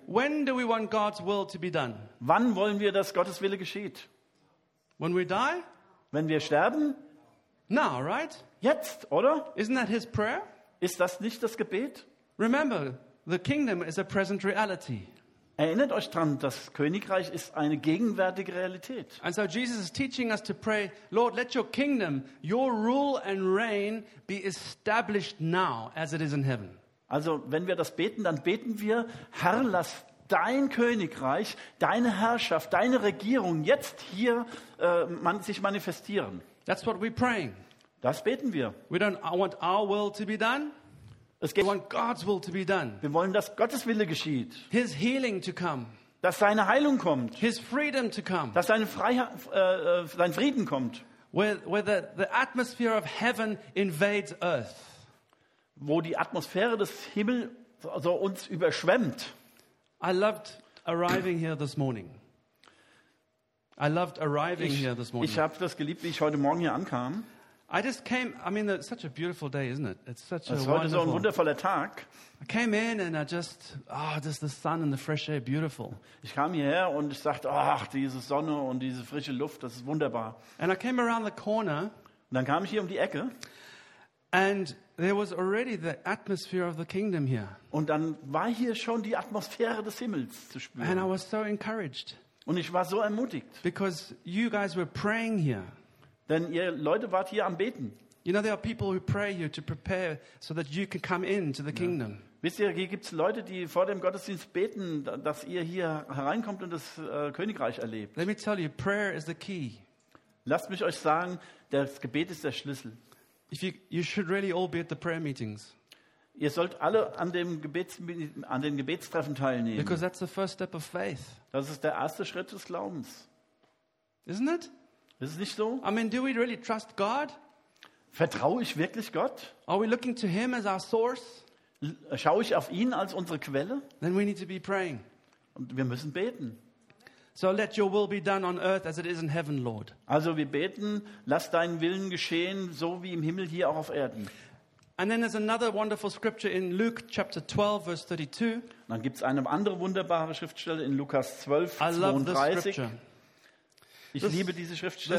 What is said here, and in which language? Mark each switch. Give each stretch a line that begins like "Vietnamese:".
English: When do we want God's will to be done?
German: Wann wollen wir, dass Gottes Wille geschieht?
English: When we die?
German: Wenn wir sterben?
English: Now, right?
German: Jetzt, oder?
English: Isn't that His prayer?
German: Ist das nicht das Gebet?
English: Remember, the kingdom is a present reality.
German: Erinnert euch dran, das Königreich ist eine gegenwärtige Realität.
English: And so Jesus is teaching us to pray, Lord, let your kingdom, your rule and reign be established now as it is in heaven.
German: Also, wenn wir das beten, dann beten wir, Herr, lass dein Königreich, deine Herrschaft, deine Regierung jetzt hier sich manifestieren.
English: That's what we're praying.
German: Das beten wir.
English: We don't want our will to be done.
German: Es geht,
English: we want God's will to be done.
German: Wir wollen, dass Gottes Wille geschieht.
English: His healing to come.
German: Dass seine Heilung kommt.
English: His freedom to come.
German: Dass seine sein Frieden kommt.
English: Where the atmosphere of heaven invades earth.
German: Wo die Atmosphäre des Himmels so uns überschwemmt.
English: I loved arriving here this morning.
German: Ich habe das geliebt, wie ich heute Morgen hier ankam.
English: I just came. I mean, it's such a beautiful day, isn't it? It's such a wonderful.
German: Es ist heute so ein wundervoller Tag.
English: I came in and I just, just the sun and the fresh air, beautiful.
German: Ich kam hierher und ich sagte, ach, diese Sonne und diese frische Luft, das ist wunderbar.
English: And I came around the corner.
German: Und dann kam ich hier um die Ecke.
English: And there was already the atmosphere of the kingdom here.
German: Und dann war hier schon die Atmosphäre des Himmels zu spüren.
English: And I was so encouraged.
German: Und ich war so ermutigt.
English: Because you guys were praying here.
German: Denn ihr Leute wart hier am Beten.
English: You know, there are people who pray here to prepare so that you can come into the kingdom.
German: Wisst ihr, hier gibt's Leute, die vor dem Gottesdienst beten, dass ihr hier hereinkommt und das Königreich erlebt.
English: Let me tell you, prayer is the key.
German: Lasst mich euch sagen, das Gebet ist der Schlüssel.
English: You should really all be at the prayer meetings.
German: Ihr sollt alle an den Gebetstreffen teilnehmen.
English: Because that's the first step of faith.
German: Das ist der erste Schritt des Glaubens.
English: Isn't it?
German: Ist es nicht so?
English: I mean, do we really trust God?
German: Vertraue ich wirklich Gott?
English: Are we looking to Him as our source?
German: Schaue ich auf ihn als unsere Quelle?
English: Then we need to be praying.
German: Und wir müssen beten.
English: So let your will be done on earth as it is in heaven, Lord.
German: Also wir beten, lass deinen Willen geschehen, so wie im Himmel hier auch auf Erden.
English: And then there's another wonderful scripture in Luke chapter 12 verse 32.
German: Und dann gibt's eine andere wunderbare Schriftstelle in Lukas 12, 32. Ich liebe diese Schriftstelle.